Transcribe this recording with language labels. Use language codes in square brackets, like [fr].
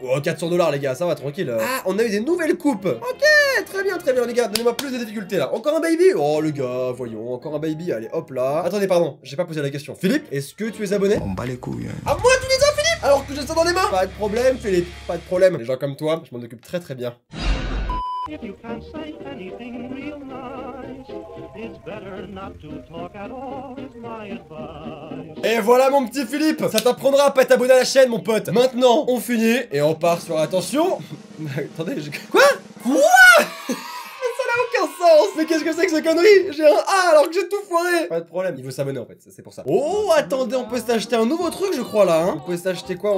[fr] Oh, 400$ les gars, ça va, tranquille. Ah, on a eu des nouvelles coupes. Ok, très bien les gars, donnez-moi plus de difficultés là. Encore un baby? Oh le gars, voyons, encore un baby, allez hop là. Attendez, pardon, j'ai pas posé la question. Philippe, est-ce que tu es abonné? On bat les couilles. Hein. Ah, moi tu les as, Philippe? Alors que j'ai ça dans les mains. Pas de problème, Philippe, pas de problème. Les gens comme toi, je m'en occupe très très bien. [en] If you can't say anything real nice, it's better not to talk at all, is my advice. [fr] Et voilà mon petit Philippe, ça t'apprendra à pas être abonné à la chaîne mon pote. Maintenant, on finit et on part sur attention. Attendez, j'ai... Quoi? Quoi? Mais qu'est-ce que c'est que ces conneries? J'ai un A alors que j'ai tout foiré. Pas de problème, il veut s'abonner en fait, c'est pour ça. Oh, attendez, on peut s'acheter un nouveau truc je crois là, hein. On peut s'acheter quoi?